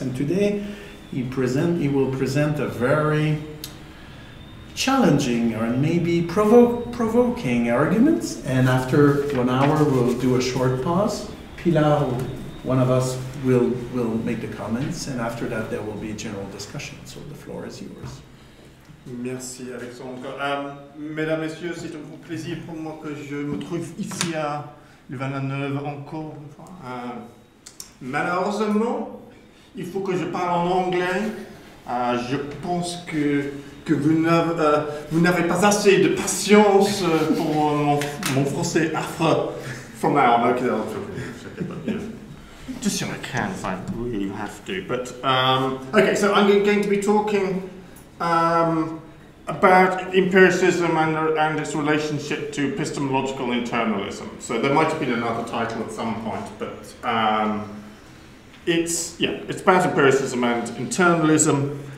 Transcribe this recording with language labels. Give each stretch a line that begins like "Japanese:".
English: And today he will present a very challenging or maybe provoking arguments. And after 1 hour, we'll do a short pause. Pilar, one of us, will make the comments. And after that, there will be a general discussion. So the floor is yours.
French: Merci, Alexandre. Mesdames, Messieurs, c'est un grand plaisir pour moi que je me trouve ici à Louvain-la-Neuve encore. Malheureusement, il faut que je parle en anglais. Je pense que vous n'avez pas assez de patience pour mon français affreux.
English: From now on, okay, I'll talk. Just your account, if I really have to. But okay, so I'm going to be talking about empiricism and its relationship to epistemological internalism. So there might have been another title at some point, but it's about empiricism and internalism.